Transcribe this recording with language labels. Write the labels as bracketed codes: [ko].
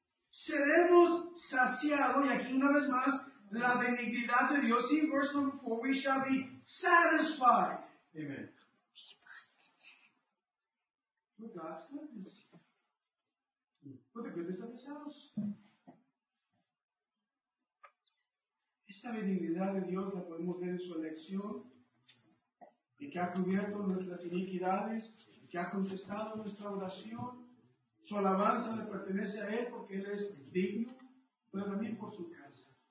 [es] Seremos saciados, y aquí una vez más, la benignidad de Dios. [en] In verse 4, we shall be satisfied. Amen. With God's goodness. With the goodness of his house. [es] Esta benignidad de Dios la podemos ver en su elección, y que ha cubierto nuestras iniquidades, y que ha contestado nuestra oración. Su alabanza le pertenece a él porque él es digno, pero también por su casa.